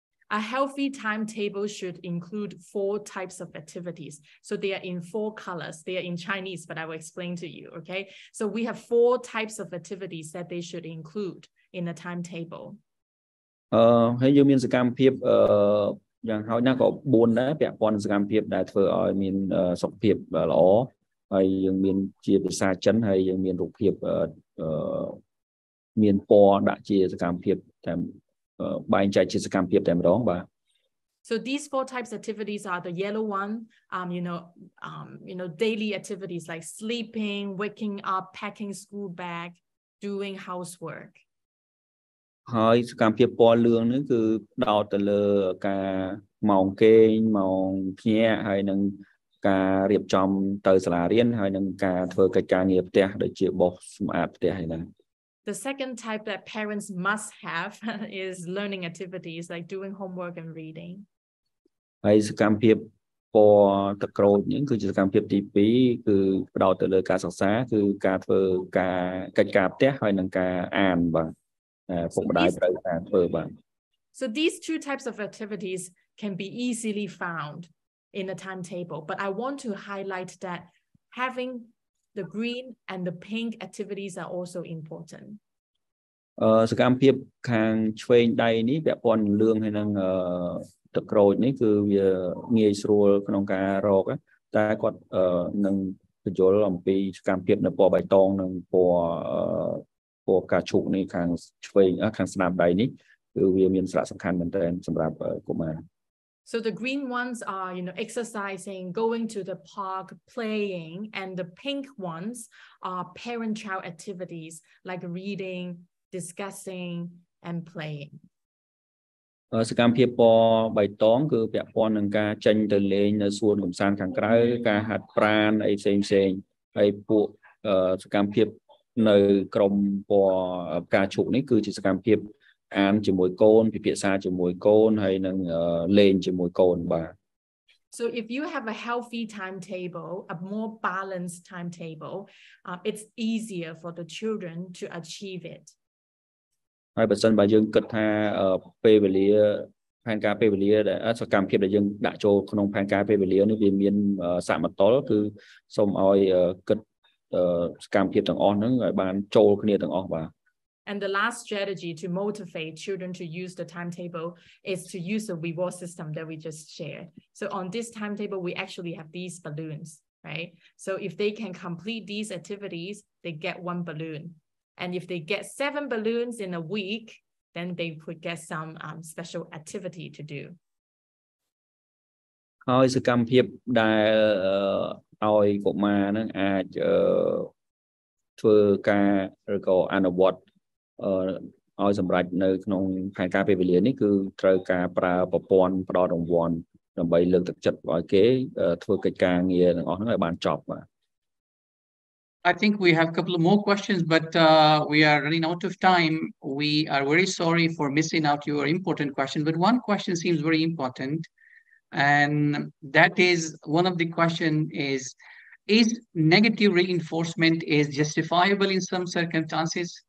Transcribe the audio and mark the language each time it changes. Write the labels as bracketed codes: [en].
[en] A healthy timetable should include 4 types of activities. So they are in 4 colors. They are in Chinese, but I will explain to you, okay? So we have 4 types of activities that they should include in a timetable. [km] ហើយយើងមានសកម្មភាពយ៉ាងហោចណាស់ក៏4ដែរពាក់ព័ន្ធសកម្មភាពដែលធ្វើឲ្យមានសុខភាពល្អហើយយើងមានជាភាសាចិនហើយយើងមានរូបភាពមានពណ៌ដាក់ជាសកម្មភាពតាមបែងចែកជាសកម្មភាពតែម្ដងបាទ [en] So these 4 types of activities are the yellow one you know daily activities like sleeping waking up packing school bag doing housework [km] ហើយសកម្មភាពពណ៌លឿងនេះគឺដោតទៅលើការម៉ោងគេងម៉ោងភ្ញាក់ហើយនឹងការរៀបចំទៅសាលារៀនហើយនឹងការធ្វើកិច្ចការងារផ្ទះដូចជាបោសសម្អាតផ្ទះហ្នឹង [en] The second type that parents must have is learning activities like doing homework and reading. [km] ហើយសកម្មភាពពណ៌ទឹកក្រូចហ្នឹងគឺជាសកម្មភាពទី2គឺផ្ដោតទៅលើការសិក្សាគឺការធ្វើការកិច្ចការផ្ទះហើយនឹងការអានបាទពុកម្ដាយត្រូវតាមធ្វើបាទ [en] So these two types of activities can be easily found. In a timetable, but I want to highlight that having the green and the pink activities are also important. [km] សកម្មភាពខាងឆ្វេងដៃនេះពាក់ព័ន្ធលឿងហើយនឹងទឹកក្រូចនេះគឺវាងាយស្រួលក្នុងការរកតែគាត់នឹងពន្យល់អំពីសកម្មភាពនៅពណ៌បៃតងនិងពណ៌ ពណ៌ឈូកនេះខាងឆ្វេងខាងស្នាមដៃនេះគឺវាមានសារៈសំខាន់មែនទែនសម្រាប់កុមារ [en] So the green ones are, you know, exercising, going to the park, playing, and the pink ones are parent-child activities like reading, discussing, and playing. [km] សកម្មភាពពណ៌បៃតងគឺពាក់ព័ន្ធនឹងការចេញទៅលេងនៅសួនកំសាន្តខាងក្រៅការហាត់ប្រាណអីផ្សេងផ្សេងហើយពួកសកម្មភាពនៅក្រុមពណ៌ផ្កាឈូកនេះគឺជាសកម្មភាពអានជាមួយកូនពិភាក្សាជាមួយកូនហើយនឹងលេងជាមួយកូនបាទ [en] So if you have a healthy timetable, a more balanced timetable, it's easier for the children to achieve it. [km] ហើយបើសិនបើយើងគិតថាពេលវេលាផែនការពេលវេលាដែលសកម្មភាពដែលយើងដាក់ចូលក្នុងផែនការពេលវេលានេះវាមានសមតុល្យគឺសូមឲ្យគិតសកម្មភាពទាំងអស់ហ្នឹងឲ្យបានចូលគ្នាទាំងអស់បាទ [en] And the last strategy to motivate children to use the timetable is to use the reward system that we just shared. So on this timetable we actually have these balloons, right? So if they can complete these activities, they get one balloon. And if they get 7 balloons in a week, then they could get some special activity to do. [km] ហើយសកម្មភាពដែលឲ្យកុមារនឹងអាចធ្វើការឬក៏អនុវត្តឲ្យសម្រេចនៅក្នុងផែនការពេលវេលានេះគឺត្រូវការប្រើប្រព័ន្ធផ្តល់រង្វាន់ដើម្បីលើកទឹកចិត្តឲ្យគេធ្វើកិច្ចការងារទាំងអស់ហ្នឹងឲ្យបានចប់បាទ [en] I think we have a couple of more questions, but we are running out of time. We are very sorry for missing out your important question, but one question seems very important. And that is, one of the question is negative reinforcement is justifiable in some circumstances?